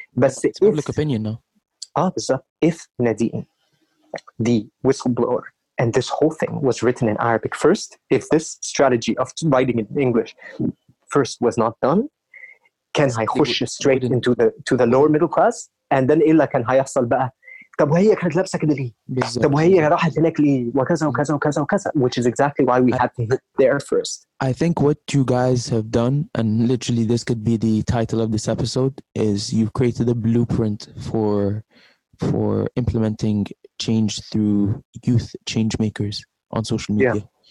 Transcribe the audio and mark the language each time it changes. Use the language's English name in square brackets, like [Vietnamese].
[English] But it's public opinion now. If Nadine, the whistleblower, and this whole thing was written in Arabic first, if this strategy of writing it in English first was not done, can I push you straight into to the lower middle class? And then [Arabic] illa can hayasal ba'a. طب وهي كانت لابسه كده ليه؟ طب وهي راحت هناك ليه؟ وكذا وكذا وكذا وكذا. [English] Which is exactly why we had to hit there first. I think what you guys have done, and literally this could be the title of this episode, is you've created a blueprint for implementing change through youth change makers on social media.